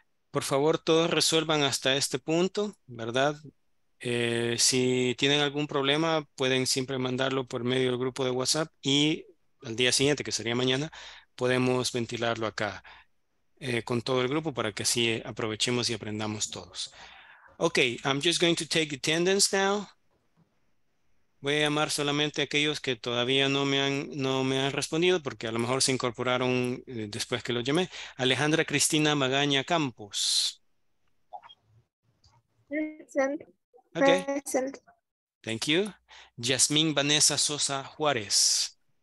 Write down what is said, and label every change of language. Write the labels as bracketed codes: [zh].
[es] Por favor, todos resuelvan hasta este punto, ¿verdad? Si tienen algún problema, pueden siempre mandarlo por medio del grupo de WhatsApp y al día siguiente, que sería mañana, podemos ventilarlo acá con todo el grupo para que así aprovechemos y aprendamos todos. [en] Ok, I'm just going to take attendance now. [es] Voy a llamar solamente a aquellos que todavía no me han respondido porque a lo mejor se incorporaron después que los llamé. Alejandra Cristina Magaña Campos. [en] Present. Okay. Present. Thank you. Yasmín Vanessa Sosa Juárez.